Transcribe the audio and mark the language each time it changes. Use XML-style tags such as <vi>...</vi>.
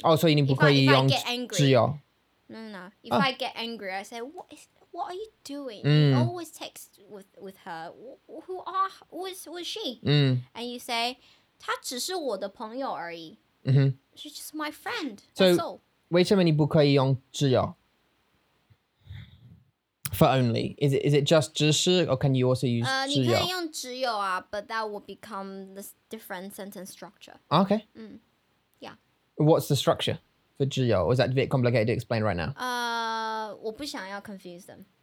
<zh>哦,所以你不可以用只有。</zh> <en>No. If I get angry, I say, what are you doing? You always text with her. Who is she? And you say,</en> <zh>她只是我的朋友而已。</zh> <en>She's just my friend.</en> <zh>So, 为什么你不可以用只有?</zh> <en>For only. Is it just 只是 or can you also use 只有?</en> <zh>你可以用只有啊,</zh> <en>but that will become this different sentence structure. Okay. Yeah. What's the structure? For 只有, or is that a bit complicated to explain right now?</en> <zh>我不想要</zh> <en>confuse them.</en>